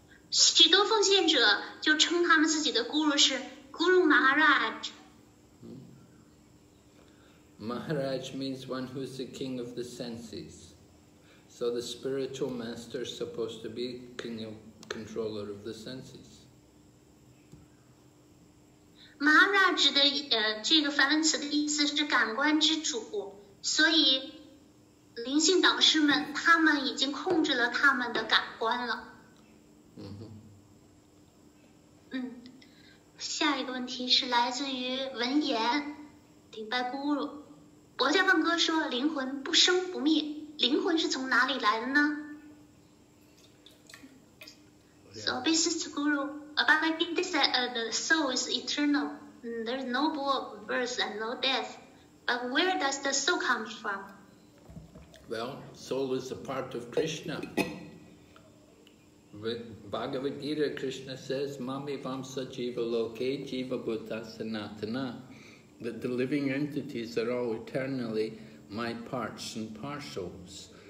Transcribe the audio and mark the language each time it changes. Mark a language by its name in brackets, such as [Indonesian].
[Chinese] 许多奉献者就称他们自己的 Guru 是 Guru Maharaj. [English] Maharaj means one who is the king of the senses. So the spiritual master is supposed to be controller of the senses. [Chinese] Maharaj 的这个梵文词的意思是感官之主，所以灵性导师们他们已经控制了他们的感官了。下一个问题是来自于文言，顶拜咕噜，薄伽梵歌说灵魂不生不灭，灵魂是从哪里来的呢？ [English] So this is Guru. But I think they said the soul is eternal. There's no birth and no death. But where does the soul come from? Well, soul is a part of Krishna. With Bhagavad Gita, Krishna says, [Sanskrit] Mami Vamsa Jiva Loke Jiva Bhuta Sanatana, [English] that the living entities are all eternally my parts and partials.